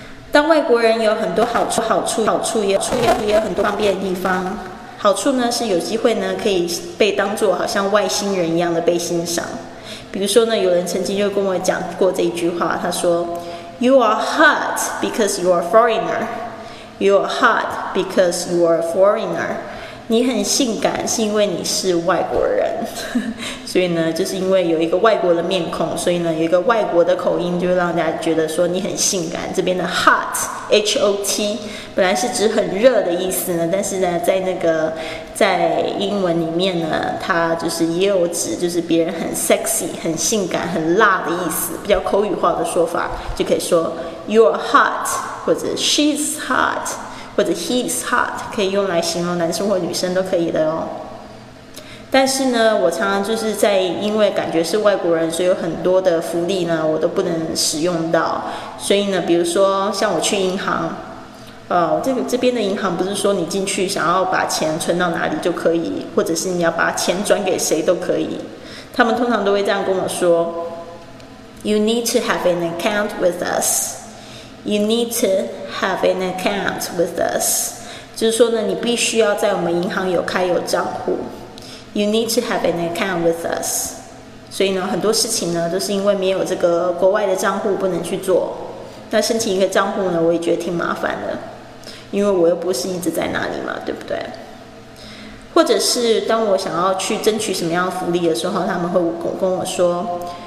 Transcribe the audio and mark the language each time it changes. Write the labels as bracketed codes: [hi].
[zh] 当外国人有很多好处也有很多方便的地方。好处呢是有机会呢可以被当作好像外星人一样的被欣赏。比如说呢，有人曾经就跟我讲过这一句话，他说 ： [en] “You are hot because you are foreigner. You are hot because you are foreigner.” [zh] 你很性感是因为你是外国人。所以呢就是因为有一个外国的面孔，所以呢有一个外国的口音，就让大家觉得说你很性感。这边的 hot H-O-T 本来是指很热的意思呢，但是呢在那个在英文里面呢，它就是也有指就是别人很 sexy 很性感很辣的意思，比较口语化的说法就可以说 [en] You're hot [zh] 或者 [en] She's hot [zh] 或者 [en] he's hot， [zh] 可以用来形容男生或女生都可以的哦。但是呢，我常常就是在因为感觉是外国人，所以有很多的福利呢，我都不能使用到。所以呢，比如说像我去银行，这边的银行不是说你进去想要把钱存到哪里就可以，或者是你要把钱转给谁都可以。他们通常都会这样跟我说 ： [en] “You need to have an account with us.” You need to. Have an account with us， [zh] 就是说呢，你必须要在我们银行有开有账户。 [en] You need to have an account with us。 [zh] 所以呢，很多事情呢，都是因为没有这个国外的账户不能去做。那申请一个账户呢，我也觉得挺麻烦的，因为我又不是一直在那里嘛，对不对？或者是当我想要去争取什么样的福利的时候，他们会跟我说